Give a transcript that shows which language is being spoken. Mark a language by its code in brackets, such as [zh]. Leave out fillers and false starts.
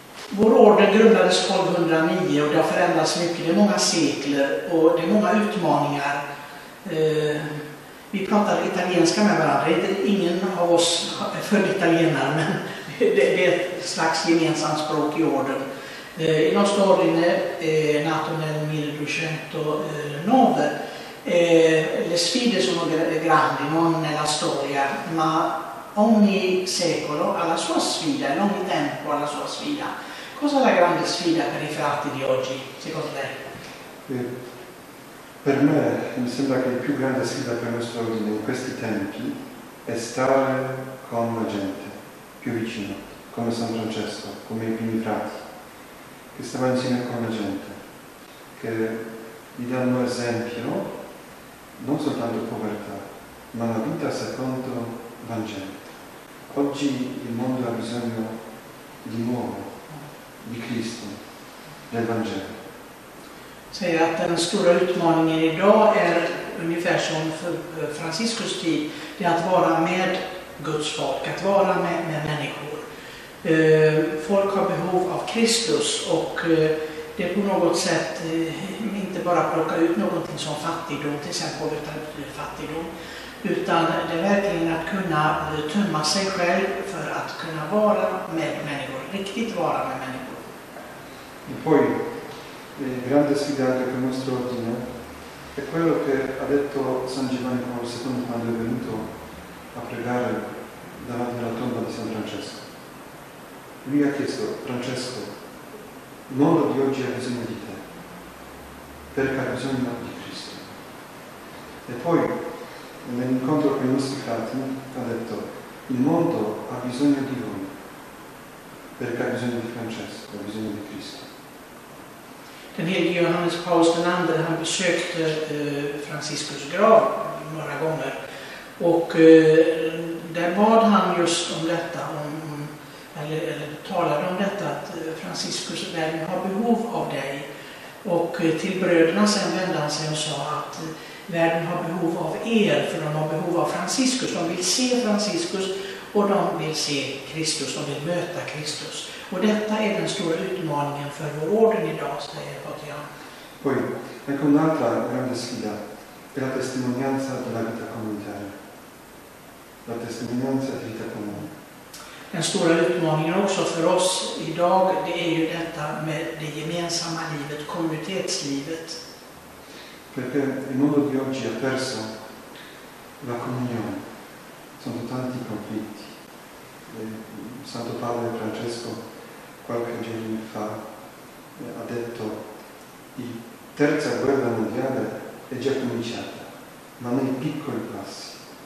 [sv] Vår orden grundades 1209 och det har förändrats mycket, det är många sekler och det är många utmaningar. Vi pratar italienska med varandra, det är ingen av oss för italienare, men det är ett slags gemensamt språk i orden. [it] I nostra ordine nato nel 1209. Le sfide sono grandi, non nella storia, ma ogni secolo ha la sua sfida, in ogni tempo ha la sua sfida. Cosa è la grande sfida per i frati di oggi, secondo lei? Per me, mi sembra che la più grande sfida per il nostro ordine in questi tempi è stare con la gente, più vicino, come San Francesco, come i primi frati, che stava insieme con la gente, che gli danno esempio, non soltanto povertà, ma la vita secondo Vangelo. Oggi il mondo ha bisogno di nuovo, di Cristo, del Vangelo. [sv] Säger att den stora utmaningen idag är ungefär som för Franciscus tid, det är att vara med Guds folk, att vara med människor. Folk har behov av Kristus och det är på något sätt inte bara plocka ut någonting som fattigdom, till exempel fattigdom, utan det är verkligen att kunna tömma sig själv för att kunna vara med människor, riktigt vara med människor. [it] Grande sfida anche per il nostro ordine è quello che ha detto San Giovanni Paolo II quando è venuto a pregare davanti alla tomba di San Francesco. Lui ha chiesto: Francesco, il mondo di oggi ha bisogno di te, perché ha bisogno di Cristo. E poi, nell'incontro con i nostri frati, ha detto: il mondo ha bisogno di noi, perché ha bisogno di Francesco, ha bisogno di Cristo. [sv] Den helige Johannes Paulus II, han besökte Franciscus grav några gånger och där bad han just om detta, eller talade om detta, att Franciscus väl har behov av dig. Och till bröderna sen vände han sig och sa att världen har behov av er, för de har behov av Franciscus. De vill se Franciscus och de vill se Kristus, de vill möta Kristus. Och detta är den stora utmaningen för vår orden idag, säger Patrian. [it] Poi, ecco un'altra grande sfida, è la testimonianza della vita comunitaria. La testimonianza di vita comune. [sv] Den stora utmaningen också för oss idag, det är ju detta med det gemensamma livet, kommunitetslivet. [it] Perché il mondo di oggi ha perso la comunione. Sono tanti conflitti. Santo Padre Francesco qualche giorno fa ha detto: la terza guerra mondiale è già cominciata, ma nei piccoli passi.